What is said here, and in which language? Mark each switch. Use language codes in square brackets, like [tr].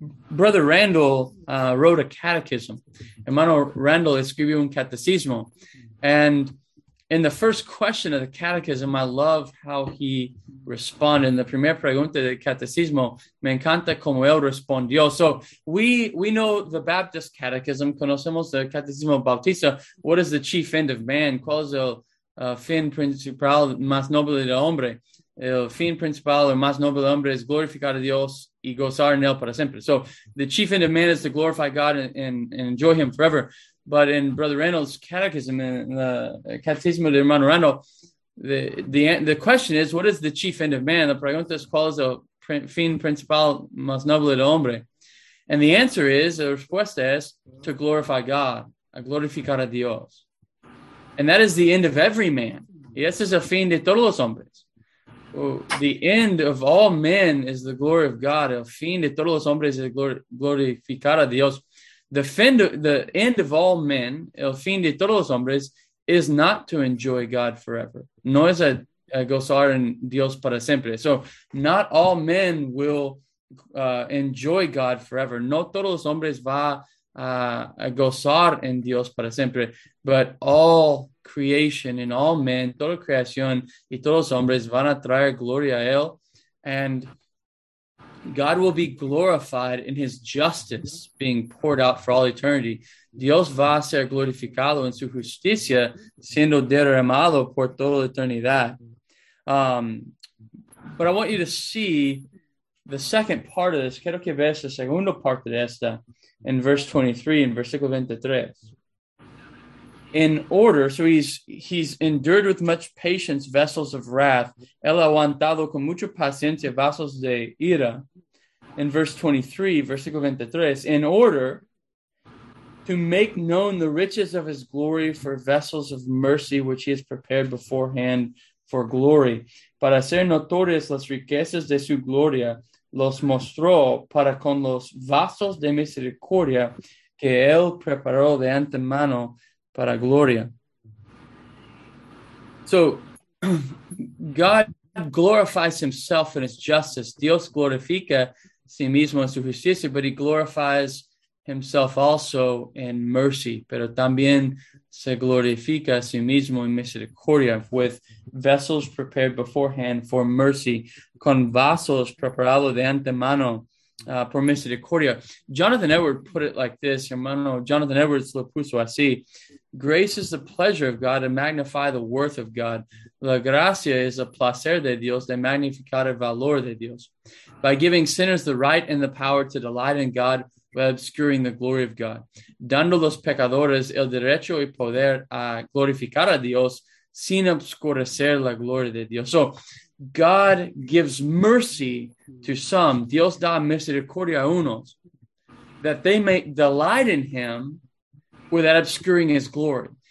[en] Brother Randall wrote a catechism. [es] Hermano Randall escribió un catecismo. [en] And in the first question of the catechism, I love how he responded. In the [es] primera pregunta del catecismo, me encanta cómo él respondió. [en] So we know the Baptist catechism. [es] Conocemos el catecismo bautista. [en] What is the chief end of man? [es] ¿Cuál es el fin principal más noble del hombre? El fin principal o más noble del hombre es glorificar a Dios y gozar en él para siempre. [en] So the chief end of man is to glorify God and enjoy him forever. But in Brother Randall's catechism, in the [es] catecismo de hermano Randall, [en] the question is, what is the chief end of man? [es] La pregunta es, ¿cuál es el fin principal más noble del hombre? [en] And the answer is, [es] la respuesta es, [en] to glorify God, [es] a glorificar a Dios. [en] And that is the end of every man. [es] Y ese es el fin de todos los hombres. [en] Oh, the end of all men is the glory of God. [es] El fin de todos los hombres es glorificar a Dios. [en] The end of all men, [es] el fin de todos los hombres, [en] is not to enjoy God forever. [es] No es a gozar en Dios para siempre. [en] So not all men will enjoy God forever. [es] No todos los hombres va gozar en Dios para siempre, [en] but all creation and all men, [es] toda creación y todos hombres van a traer gloria a él, [en] and God will be glorified in his justice being poured out for all eternity. [es] Dios va a ser glorificado en su justicia siendo derramado por toda la eternidad. [en] But I want you to see the second part of this. [es] Quiero que veas la segunda parte de esta [en] in verse 23, [es] in versículo 23. [en] In order, so he's endured with much patience vessels of wrath. [es] El aguantado con mucha paciencia vasos de ira. [en] In verse 23, [es] versículo 23, [en] in order to make known the riches of his glory for vessels of mercy, which he has prepared beforehand for glory. [es] Para hacer notorias las riquezas de su gloria, los mostró para con los vasos de misericordia que él preparó de antemano para gloria. [en] So, God glorifies himself in his justice. [es] Dios glorifica sí mismo en su justicia, [en] but he glorifies himself also in mercy, [es] pero también se glorifica a sí mismo en misericordia, [en] with vessels prepared beforehand for mercy, [es] con vasos preparados de antemano por misericordia. [en] Jonathan Edwards put it like this, [es] hermano, Jonathan Edwards lo puso así: [en] grace is the pleasure of God to magnify the worth of God. [es] La gracia es el placer de Dios de magnificar el valor de Dios. [en] By giving sinners the right and the power to delight in God while obscuring the glory of God. [es] Dando los pecadores el derecho y poder a glorificar a Dios sin obscurecer la gloria de Dios. [en] So, God gives mercy to some. [es] Dios da misericordia a unos, [en] that they may delight in him without obscuring his glory.